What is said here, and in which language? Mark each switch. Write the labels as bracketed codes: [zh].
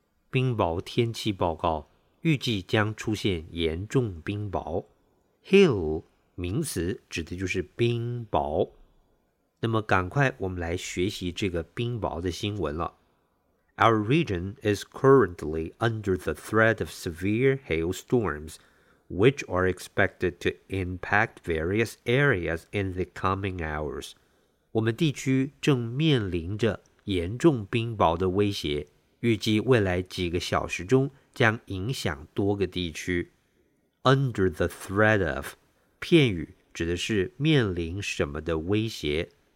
[zh] 冰雹天气报告预计将出现严重冰雹。 Hail, 名词指的就是冰雹。那么赶快我们来学习这个冰雹的新闻了。 [en] Our region is currently under the threat of severe hailstorms, which are expected to impact various areas in the coming hours. [zh] 我们地区正面临着严重冰雹的威胁，预计未来几个小时中将影响多个地区。 [en] Under the threat of, [zh] 片语指的是面临什么的威胁。